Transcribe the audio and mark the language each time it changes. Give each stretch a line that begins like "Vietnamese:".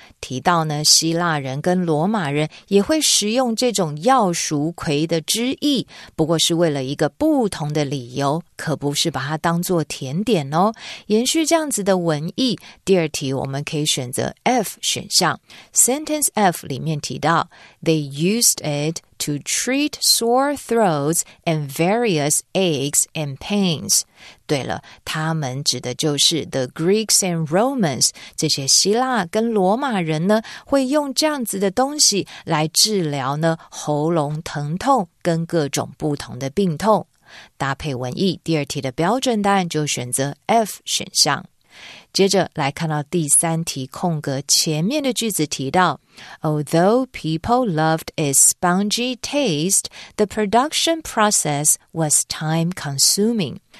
Chinese: 提到呢，希腊人跟罗马人也会食用这种药鼠葵的汁液，不过是为了一个不同的理由，可不是把它当作甜点哦。延续这样子的文意，第二题我们可以选择 F 选项。
English: Sentence F
Chinese: 里面提到
English: They used it to treat sore throats and various aches and pains.
Chinese: 对了，他们指的就是
English: the Greeks and Romans,
Chinese: 这些希腊跟罗马人呢，会用这样子的东西来治疗呢，喉咙疼痛跟各种不同的病痛。搭配文意，第二题的标准答案就选择 F 选项。接着来看到第三题空格前面的句子提到
English: Although people loved its spongy taste, the production process was time-consuming.